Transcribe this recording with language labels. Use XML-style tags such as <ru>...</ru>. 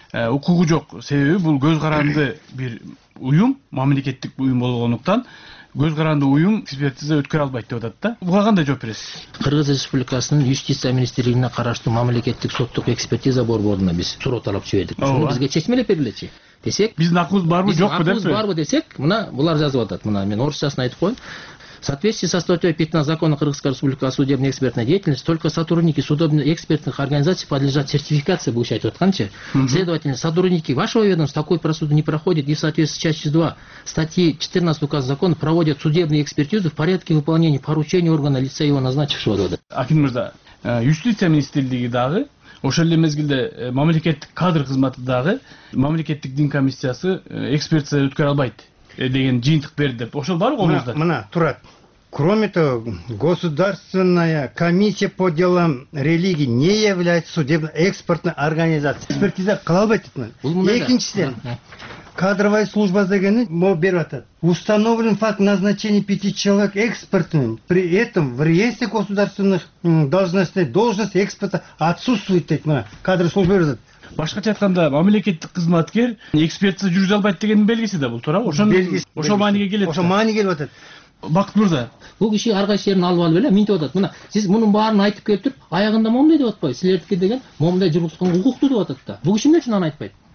<ky>укугу жок. Себеби бул көз каранды бир уюм, мамлекеттик уюм болгондуктан көз каранды уюм экспертиза өткөрө албайт деп атат да. Буга кандай жооп бересиз? Кыргыз Республикасынын юстиция министрлигине караштуу мамлекеттик соттук экспертиза борборуна биз суроо талап жибердик. Ушуну бизге чечмелеп берилечи. Десек, биздин акыбыз барбы, жокпу депчи? Акыбыз барбы десек, мына булар жазып атат. Мына мен орусчасын айтып коём.</ky> <ru>В соответствии со статьей 15 закона Кыргызской Республики о судебной экспертной деятельности, только сотрудники судебных экспертных организаций подлежат сертификации, получают вот канче. Следовательно, сотрудники вашего ведомства такую процедуру не проходят, и в соответствии с частью 2 статьи 14 указа закона проводят судебные экспертизы в порядке выполнения поручений органа лица его назначившего года.</ru> <ky>Акин Мырза, юстиция министрлиги дагы, ошол эле мезгилде мамлекеттик кадр кызматы дагы, мамлекеттик дин комиссиясы экспертиза өткөрө албайт. Деген жыйынтык берди деп ошол барбы колуңузда? Мына турат.</ky> <ru>Кроме того, Государственная комиссия по делам религии не является судебно-экспертной организацией.</ru> <ky>Экспертиза кыла албайт дейт мына. Экинчиден,</ky> <ru>кадровая служба</ru> <ky>дегени берип атат.</ky> <ru>Установлен факт назначения 5 человек экспертным. При этом в реестре государственных должностей должность эксперта отсутствует</ru> <ky>дейт мына.</ky> <ru>Кадровая служба</ru> <ky>берип атат. Башкача айтканда мамлекеттик кызматкер экспертиза жүргүзө албайт дегендин белгиси да бул, туурабы? Ошон белгиси. Ошол мааниге келет. Ошол мааниге келип атат. Бакыт Мырза, бул киши ар кайсы жерин алып алып эле минтип атат. Мына сиз мунун баарын айтып келип туруп, аягында момундай деп атпайбы? Силердики деген момундай жүргүзгөн укуктуу деп атат да. Бул киши эмне үчүн аны айтпайт?</ky>